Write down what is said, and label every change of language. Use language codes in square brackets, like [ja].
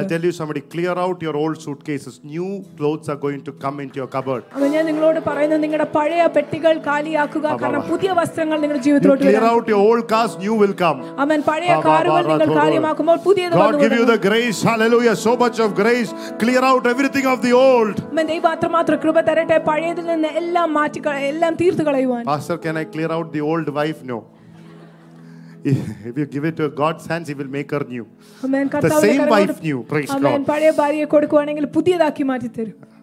[en] I tell you somebody, clear out your old suitcases. New clothes are going to come into your cupboard. [ml] അമ്മ ഞാൻ നിങ്ങളോട് പറയുന്നു നിങ്ങളുടെ പഴയ പെട്ടികൾ കാലിയാക്കുക കാരണം പുതിയ വസ്ത്രങ്ങൾ നിങ്ങളുടെ ജീവിതത്തിലേക്ക് വരും. [en] Clear out your old cars, new will come. [ml] അമ്മ പഴയ കാറുകൾ നിങ്ങൾ കാലിയാക്കുമ്പോൾ പുതിയത് വരും. [en] God give you the grace. Hallelujah. So much of grace. Clear out everything of the old. [ml] അമ്മ ദൈവം മാത്രം കൃപ തരട്ടെ പഴയതിൽ നിന്ന് എല്ലാം മാറ്റി എല്ലാം തീർത്തു കളയുവാൻ. [en] Pastor, can I clear out the old wife? No. If you give it to God's hands, he will make her new. Amen. The same wife new. Praise God. Amen. [ml] പഴയ ഭാര്യയെ കൊടുക്കുകയാണെങ്കിൽ പുതിയതാക്കി മാറ്റി തരും.